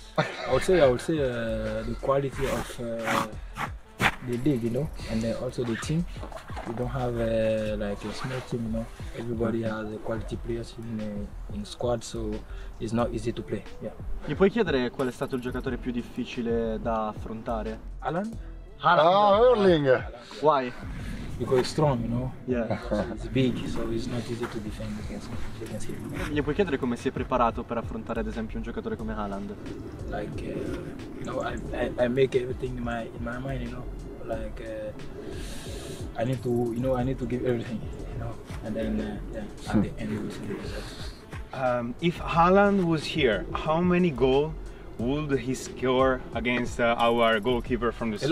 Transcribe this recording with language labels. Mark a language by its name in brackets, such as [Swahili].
[English] I would say the quality of the league, you know, and also the team. We don't have like a small team, you know. Everybody has quality players in squad, so it's not easy to play. Yeah. [Italian] Gli puoi chiedere qual è stato il giocatore più difficile da affrontare? [English] Alan? Erling. Why? Because he's strong, you know. Yeah. He's big, so it's not easy to defend against him. [Italian] Gli puoi chiedere come si è preparato per affrontare, ad esempio, un giocatore come Haaland? [English] Like, you know, I make everything in my mind, you know. Like, I need to, you know, I need to give everything, you know. And then, at the end, we'll see. If Haaland was here, how many goals would he score against our goalkeeper from the street?